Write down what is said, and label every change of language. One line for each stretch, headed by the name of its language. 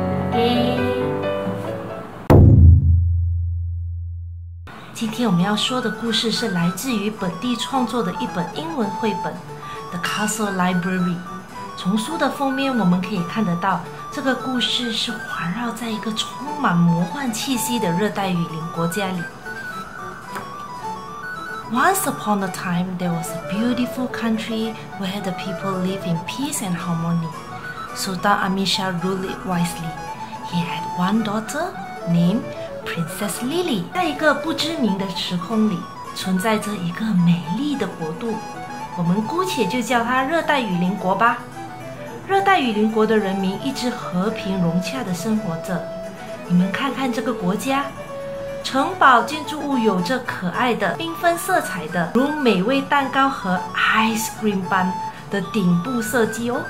Chinese: OK， 今天我们要说的故事是来自于本地创作的一本英文绘本 The Castle Library。从书的封面我们可以看得到，这个故事是环绕在一个充满魔幻气息的热带雨林国家里。
English: Once upon a time, there was a beautiful country where the people live in peace and harmony. Sultan Amisha ruled it wisely. He had one daughter named Princess Lily.
Chinese: 在一个不知名的时空里，存在着一个美丽的国度，我们姑且就叫它热带雨林国吧。热带雨林国的人民一直和平融洽地生活着。你们看看这个国家，城堡建筑物有着可爱的缤纷色彩的如美味蛋糕和 ice cream bun 的顶部设计哦。